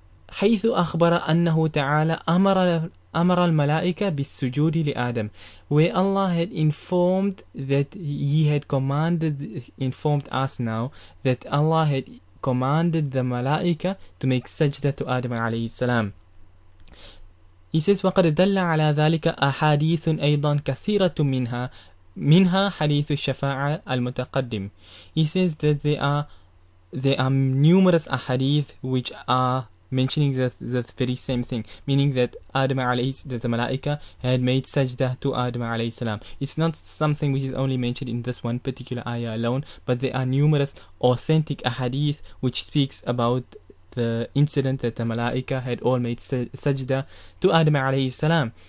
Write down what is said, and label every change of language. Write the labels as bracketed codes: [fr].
[ar] حيث أخبر أنه تعالى أمر أمر الملائكة بالسجود لآدم, [en] where Allah had informed that He had commanded, informed us now, that Allah had commanded the ملائكة to make sajda to Adam [ar] عليه السلام. [en] He says, [ar] وقد دل على ذلك أحاديث أيضا كثيرة منها, منها حديث الشفاعة المتقدم. [en] He says that there are numerous ahadith which are mentioning that very same thing, meaning that Adam alayhi, that the malaika had made sajda to Adam alayhi salam. It's not something which is only mentioned in this one particular ayah alone, but there are numerous authentic ahadith which speaks about the incident that the malaika had all made sajda to Adam alayhi salam.